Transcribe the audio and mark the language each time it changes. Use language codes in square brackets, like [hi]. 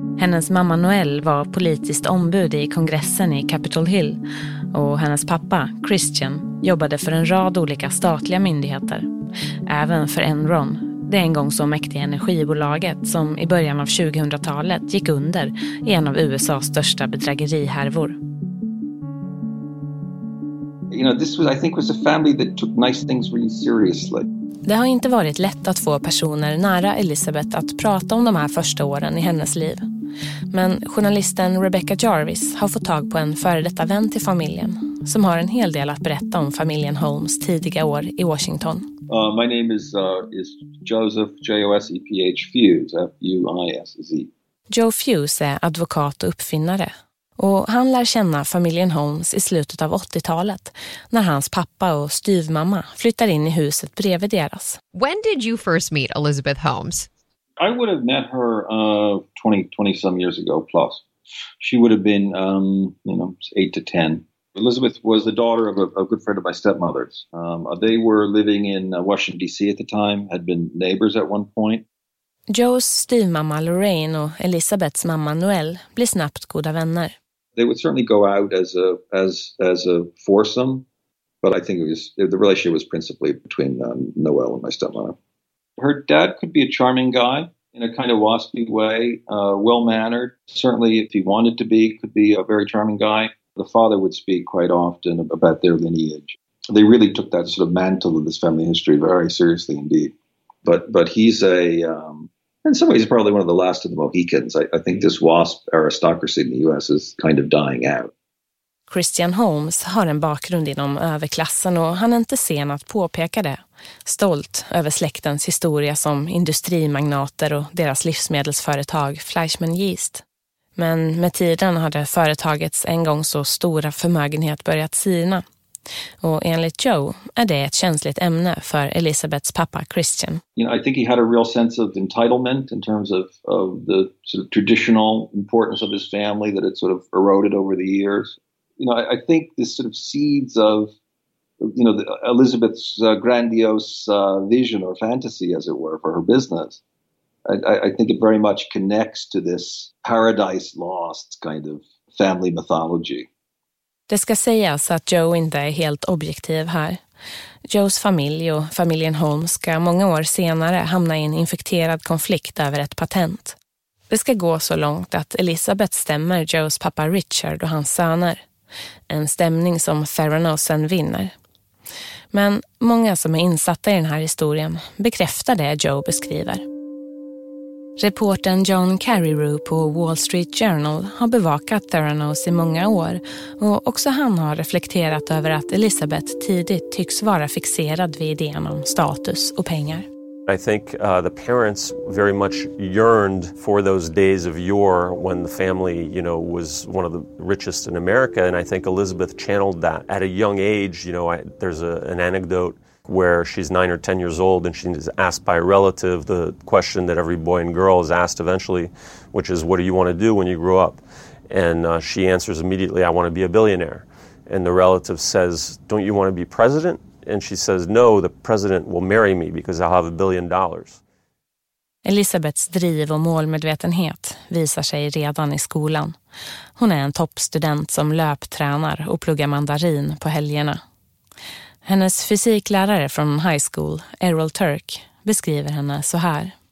[sv] Hennes mamma Noel var politiskt ombud i kongressen i Capitol Hill och hennes pappa Christian jobbade för en rad olika statliga myndigheter, även för Enron, det en gång så mäktiga energibolaget som i början av 2000-talet gick under i en av USA:s största bedrägerihärvor. [en] You know, this was, I think, was a family that took nice things really seriously. [sv] Det har inte varit lätt att få personer nära Elizabeth att prata om de här första åren i hennes liv. Men journalisten Rebecca Jarvis har fått tag på en före detta vän till familjen som har en hel del att berätta om familjen Holmes tidiga år i Washington. [en] My name is Joseph, J-O-S-E-P-H, Fuse, F-U-I-S-E. [sv] Joe Fuse är advokat och uppfinnare. Och han lär känna familjen Holmes i slutet av 80-talet när hans pappa och styvmamma flyttar in i huset bredvid deras. [en] When did you first meet Elizabeth Holmes? I would have met her 20 some years ago plus. She would have been 8 to 10. Elizabeth was the daughter of a good friend of my stepmother's. They were living in Washington DC at the time, had been neighbors at one point. [sv] Joes styvmamma Lorraine och Elisabeths mamma Noelle blir snabbt goda vänner. [en] They would certainly go out as a foursome, but I think the relationship was principally between Noelle and my stepmother. Her dad could be a charming guy in a kind of waspy way, well-mannered. Certainly, if he wanted to be, could be a very charming guy. The father would speak quite often about their lineage. They really took that sort of mantle of this family history very seriously indeed. But he's a, in some ways, probably one of the last of the Mohicans. I think this WASP aristocracy in the U.S. is kind of dying out. [sv] Christian Holmes har en bakgrund inom överklassen och han är inte sen att påpeka det. Stolt över släktens historia som industrimagnater och deras livsmedelsföretag Fleischmann Yeast. Men med tiden hade företagets en gång så stora förmögenhet börjat sina. Och enligt Joe är det ett känsligt ämne för Elisabeths pappa Christian. [en] You know, I think he had a real sense of entitlement in terms of the sort of traditional importance of his family that it sort of eroded over the years. You know, I think this sort of seeds of, you know, Elizabeth's grandiose vision or fantasy, as it were, for her business. I think it very much connects to this paradise lost kind of family mythology. [sv] Det ska sägas att Joe inte är helt objektiv här. Joes familj och familjen Holmes ska många år senare hamna i en infekterad konflikt över ett patent. Det ska gå så långt att Elizabeth stämmer Joes pappa Richard och hans söner. En stämning som Theranos sen vinner. Men många som är insatta i den här historien bekräftar det Joe beskriver. Reporten John Carreyrou på Wall Street Journal har bevakat Theranos i många år och också han har reflekterat över att Elizabeth tidigt tycks vara fixerad vid idén om status och pengar. [en] I think the parents very much yearned for those days of yore when the family, you know, was one of the richest in America, and I think Elizabeth channeled that at a young age. You know, there's an anecdote where she's 9 or 10 years old and she's asked by a relative the question that every boy and girl is asked eventually, which is, what do you want to do when you grow up? And she answers immediately, I want to be a billionaire. And the relative says, don't you want to be president? And she says, no, the president will marry me because I'll have $1 billion. [sv] Elizabeths driv och målmedvetenhet visar sig redan i skolan. Hon är en toppstudent som löptränar och pluggar mandarin på helgerna. Hennes fysiklärare från high school, Errol Turk, beskriver henne så här.